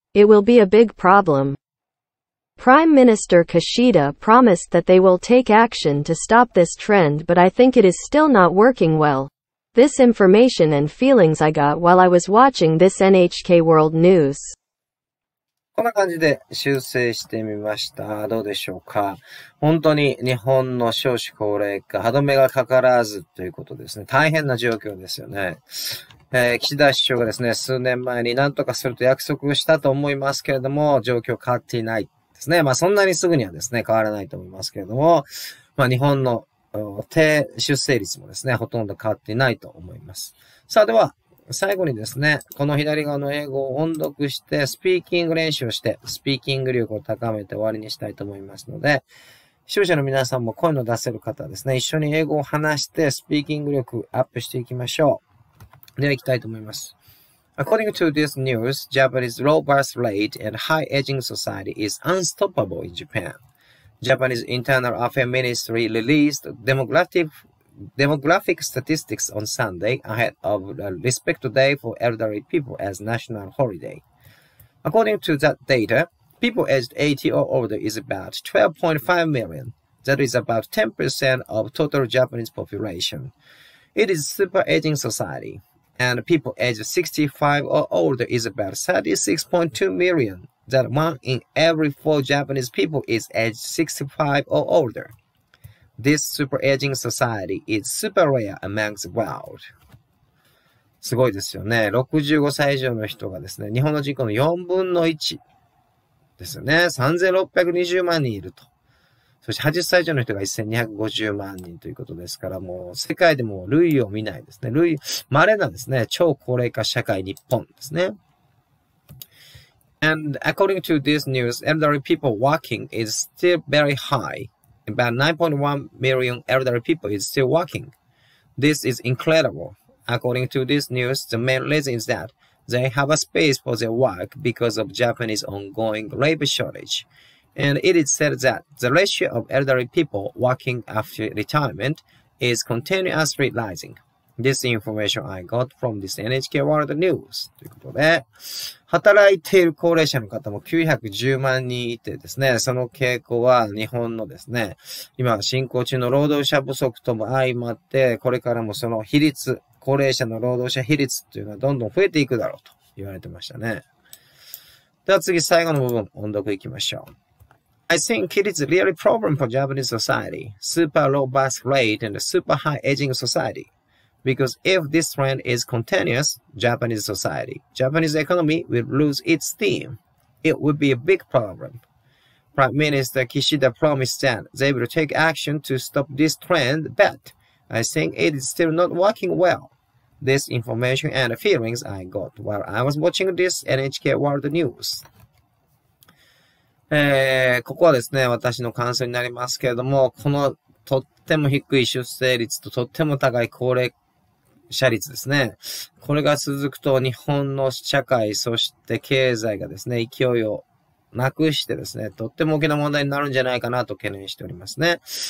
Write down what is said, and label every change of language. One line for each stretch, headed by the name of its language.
English: It will be a big problem. Prime Minister Kishida promised that they will take action to stop this trend, but I think it is still not working well. This information and feelings I got while I was watching this NHK World News.
Japanese: こんな感じで修正してみました。どうでしょうか。本当に日本の少子高齢化、歯止めがかからずということですね。大変な状況ですよね。岸田首相がですね、数年前に何とかすると約束したと思いますけれども、状況変わっていないですね。まあそんなにすぐにはですね、変わらないと思いますけれども、まあ日本の低出生率もですね、ほとんど変わっていないと思います。さあでは、最後にですね、この左側の英語を音読して、スピーキング練習をして、スピーキング力を高めて終わりにしたいと思いますので、視聴者の皆さんも声の出せる方はですね、一緒に英語を話して、スピーキング力アップしていきましょう。では、行きたいと思います。
English: According to this news, Japanese robust rate and high aging society is unstoppable in Japan. Japanese Internal Affairs Ministry released demographic statistics on Sunday ahead of the respect day for elderly people as national holiday. According to that data, people aged 80 or older is about 12.5 million. That is about 10% of total Japanese population. It is super aging society. And people aged 65 or older is about 36.2 million. That one in every four Japanese people is aged 65 or older. This super aging society is super rare among the world.
Japanese: すごいですよね。 65歳以上の人がですね、日本の人口の4分の1ですよね。 3620万人いると。そして80歳以上の人が1250万人ということですから、もう世界でも類を見ないですね。類、稀なんですね。超高齢化社会日本ですね。
English: And according to this news, elderly people working is still very high. About 9.1 million elderly people is still working. This is incredible. According to this news, the main reason is that they have a space for their work because of Japanese ongoing labor shortage. And it is said that the ratio of elderly people working after retirement is continuously rising. This information I got from this NHK World News.
Japanese: ということで、働いている高齢者の方も910万人いてですね、その傾向は日本のですね、今進行中の労働者不足とも相まって、これからもその比率、高齢者の労働者比率っていうのはどんどん増えていくだろうと言われてましたね。では次、最後の部分、音読いきましょう。
English: I think it is really a problem for Japanese society. Super low birth rate and super high aging society. Because if this trend is continuous, Japanese society, Japanese economy will lose its steam. It would be a big problem. Prime Minister Kishida promised that they will take action to stop this trend, but I think it is still not working well. This information and feelings I got while I was watching this NHK World News.
Japanese: ここはですね、私の感想になりますけれども、このとっても低い出生率ととっても高い高齢社率ですね。これが続くと日本の社会そして経済がですね、勢いをなくしてですね、とっても大きな問題になるんじゃないかなと懸念しておりますね。